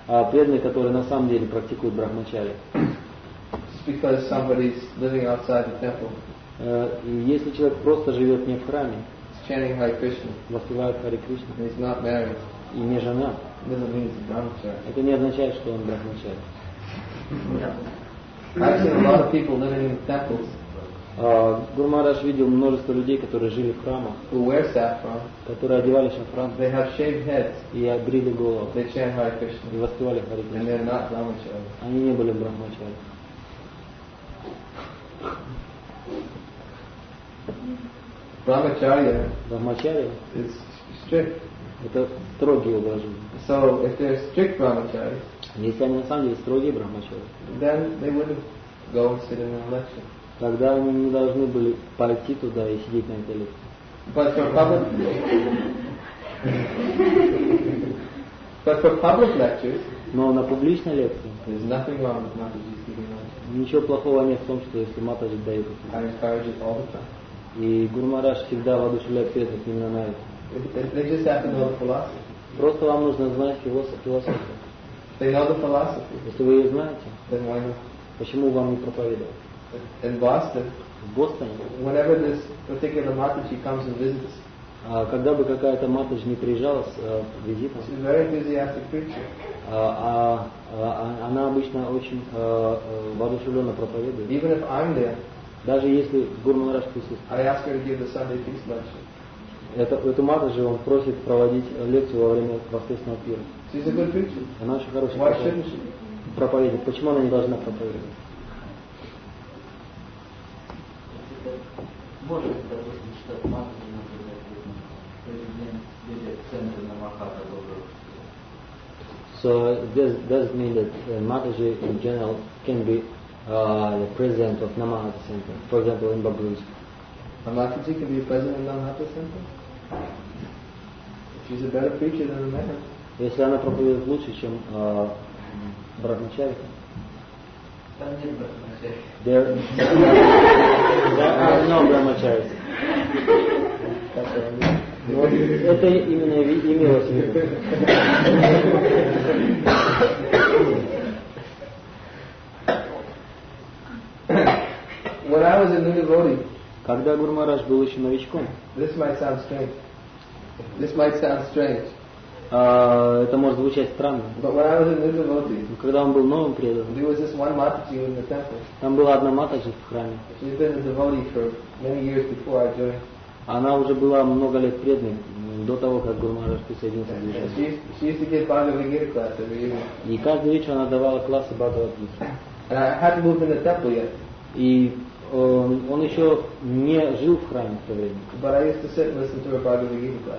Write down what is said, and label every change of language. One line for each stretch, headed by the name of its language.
Russian: Преданные, которые на самом деле практикуют брахмачари.
English: Because somebody's living outside the temple.
Russian: Если человек просто живет не в храме,
English: chanting Hare Krishna,
Russian: воспевает Харе Кришну,
English: and he's not married,
Russian: и не жена,
English: doesn't mean he's a brahmachari.
Russian: Это не означает, что он брахмачари.
English: I've seen a lot of people living in temples.
Russian: Гуру Махарадж видел множество людей, которые жили в храмах,
English: who wear saffron,
Russian: которые одевали шафран,
English: they have shaved heads,
Russian: и обрили голову,
English: they chant Hare Krishna,
Russian: и воспевали Харе Кришну,
English: and they're not brahmachari.
Russian: Они не были брахмачари.
English: Brahmacharya is strict.
Russian: Это строгий образ жизни.
English: So if they're strict brahmacharis,
Russian: если они на самом деле строгие брахмачари,
English: then they wouldn't go and sit in a lecture.
Russian: Тогда они не должны были пойти туда и сидеть на этой лекции.
English: But for public lectures,
Russian: но на публичной лекции,
English: there's nothing wrong with Mataji's giving lectures.
Russian: Ничего плохого нет в том, что если Матаджи дает эти
English: лекции. I encourage it all the time.
Russian: И Гуру Махарадж всегда воодушевляет преданных именно на это.
English: They just have to know the philosophy.
Russian: Просто вам нужно знать философию.
English: They know the philosophy.
Russian: Если вы ее знаете,
English: then why not?
Russian: Почему вам не проповедовать?
English: In Boston, whenever this particular Mataji comes and visits,
Russian: когда бы какая-то Матаджи не приезжала с визитом,
English: she's a very enthusiastic preacher.
Russian: Она обычно очень воодушевленно проповедует.
English: Even if I'm there,
Russian: даже если Гуру Махарадж присутствует,
English: I ask her to give the Sunday peace lecture.
Russian: Эту Матаджи он просит проводить лекцию во время воскресного пира.
English: She's a good preacher.
Russian: Она очень хорошая проповедник. Почему она не должна проповедовать? может, допустим, читать матрицу, например, где центр на Махата добро.
English: So this does mean that Mataji in general can be the president of Namahata Center, for example in Babruj. A Mataji can be a president of Namahata Center? She's a better preacher than a man.
Russian: Если она проповедует лучше, чем Брахмачари. Там нет
English: Брахмачари. There are no Brahmachari.
Russian: Вот это именно имелось в виду.
English: When I was a new devotee,
Russian: когда Гуру Махарадж был еще новичком,
English: This might sound strange.
Russian: Это может звучать странно.
English: But when I was a new devotee,
Russian: когда он был новым преданным,
English: there was this one Mataji in the temple.
Russian: Там была одна Матаджи в храме.
English: She'd been a devotee for many years before I joined.
Russian: Она уже была много лет преданной, до того, как Гуру Махарадж присоединился к движению. И каждый вечер она давала классы Бхагавад-гиты. И он еще не жил в храме в то время.